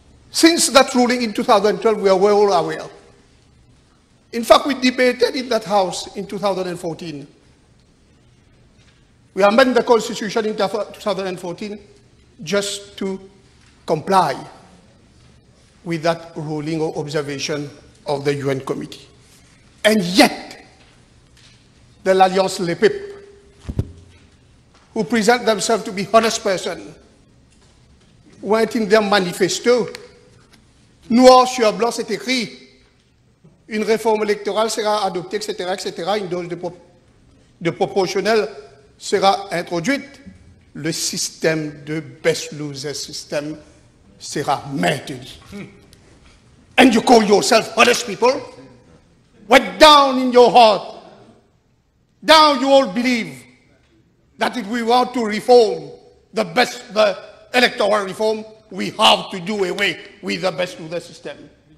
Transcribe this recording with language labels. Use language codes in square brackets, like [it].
[en] Since that ruling in 2012, we are well aware. In fact, we debated in that House in 2014. We amended the Constitution in 2014 just to comply with that ruling or observation of the UN Committee. And yet, the L'Alliance Le Peuple, who present themselves to be honest person, went in their manifesto, [fr] noir sur blanc, c'est écrit, une réforme électorale sera adoptée, etc., etc., une dose de proportionnelle sera introduite, le système de best loser system sera maintenu. [en] And you call yourself honest people? What down in your heart? Now you all believe that if we want to reform the best, the electoral reform, we have to do away with the best of the system.